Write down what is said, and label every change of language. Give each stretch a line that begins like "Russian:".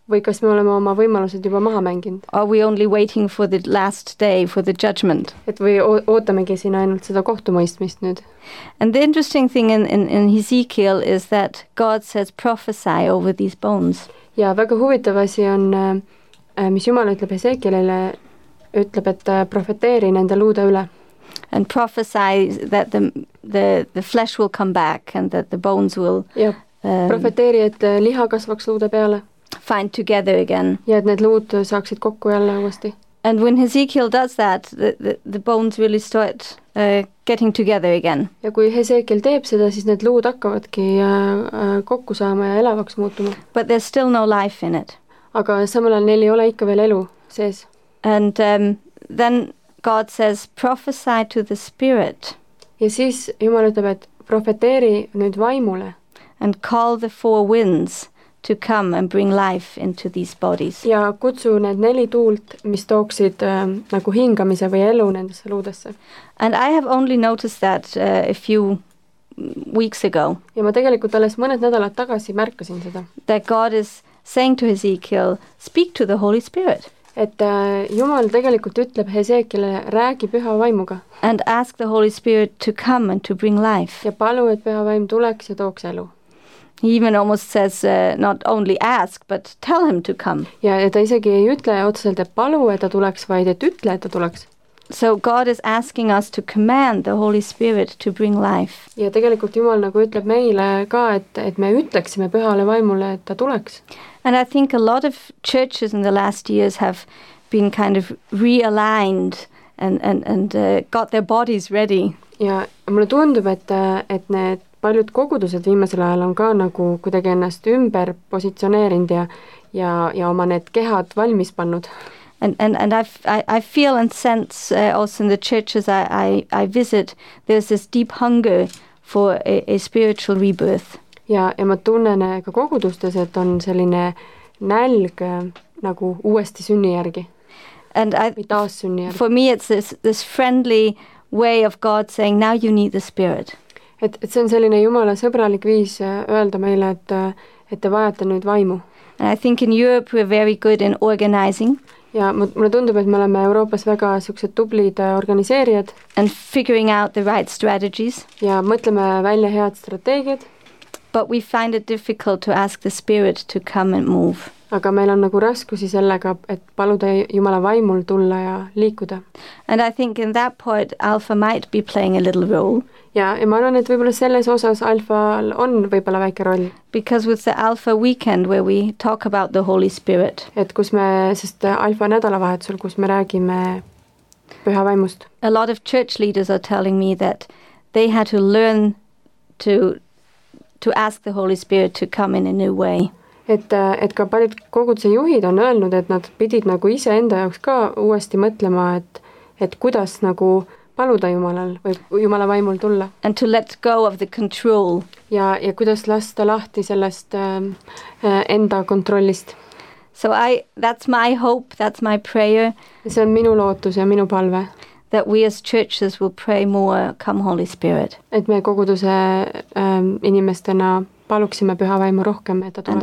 Estonian: Või kas me oleme oma võimalused juba maha mänginud?
English: Are we only waiting for the last day, for the judgment?
Estonian: Et või ootamegi siin ainult seda kohtumõistmist nüüd.
English: And the interesting thing in Ezekiel is that God says prophesy over these bones.
Estonian: Ja väga huvitav asi on, mis Jumal ütleb Ezekielile, ütleb, et profeteeri nende luude üle.
English: And prophesy that the flesh will come back and that the bones will...
Estonian: Ja. Profeteeri, et liha kasvaks luude peale.
English: Find together again.
Estonian: Ja et need luud saaksid kokku jälle uuesti.
English: And when Ezekiel does that, the bones really start getting together again.
Estonian: Ja kui Ezekiel teeb seda, siis need luud hakkavadki kokku saama ja elavaks muutuma.
English: But there's still no life in it.
Estonian: Aga samal ajal neil ei ole ikka veel elu sees.
English: And then God says, prophesy to the spirit.
Estonian: Ja siis Jumal ütleb, et profeteeri nüüd vaimule.
English: And call the four winds to come and bring life into these bodies.
Estonian: Ja kutsu need neli tuult, mis tooksid nagu hingamise või elu nendesse luudesse.
English: And I have only noticed that a few weeks ago.
Estonian: Ja ma tegelikult alles mõned nädalad tagasi märkasin seda.
English: That God is saying to Ezekiel, speak to the Holy Spirit.
Estonian: Et Jumal tegelikult ütleb Ezekielile, räägi püha vaimuga.
English: And ask the Holy Spirit to come and to bring life.
Estonian: Ja palu, et püha vaim tuleks ja tooks elu.
English: He even almost says, not only ask, but tell him to come.
Estonian: Ja ta isegi ei ütle otseselt, et palu, et ta tuleks, vaid et ütle, et ta tuleks.
English: So God is asking us to command the Holy Spirit to bring life.
Estonian: Ja tegelikult Jumal nagu ütleb meile ka, et me ütleksime pühale vaimule, et ta tuleks.
English: And I think a lot of churches in the last years have been kind of realigned and got their bodies ready.
Estonian: Ja mulle tundub, et need paljud kogudused viimasel ajal on ka nagu kuidagi ennast ümber positsioneerinud ja oma need kehad valmis pannud.
English: And I feel and sense also in the churches I visit, there's this deep hunger for a spiritual rebirth.
Estonian: Ja ma tunnen ka kogudustes, et on selline nälg nagu uuesti sünni järgi.
English: And
Estonian: taas sünni järgi.
English: For me it's this friendly way of God saying, now you need the spirit.
Estonian: Et see on selline Jumala sõbralik viis öelda meile, et te vajate nüüd vaimu.
English: And I think in Europe we're very good in organizing.
Estonian: Ja mulle tundub, et me oleme Euroopas väga sellised tublid organiseerijad.
English: And figuring out the right strategies.
Estonian: Ja mõtleme välja head strateegiad.
English: But we find it difficult to ask the spirit to come and move.
Estonian: aga meil on nagu raskusi sellega, et paluda Jumala vaimul tulla ja liikuda.
English: And I think in that part Alpha might be playing a little role.
Estonian: Ja ma arvan, et võibolla selles osas Alphal on võibolla väike roll.
English: Because with the Alpha weekend where we talk about the Holy Spirit.
Estonian: Et kus me, sest Alpha nädalavahetusel, kus me räägime püha vaimust.
English: A lot of church leaders are telling me that they had to learn to ask the Holy Spirit to come in a new way.
Estonian: Et ka paljud koguduse juhid on öelnud, et nad pidid nagu ise enda jaoks ka uuesti mõtlema, et kuidas nagu paluda Jumalal või Jumala vaimul tulla.
English: And to let go of the control.
Estonian: Ja kuidas lasta lahti sellest enda kontrollist.
English: So that's my hope, that's my prayer.
Estonian: See on minu lootus ja minu palve.
English: That we as churches will pray more, come Holy Spirit.
Estonian: Et me koguduse inimestena paluksime püha vaimu rohkem, et ta tuleks.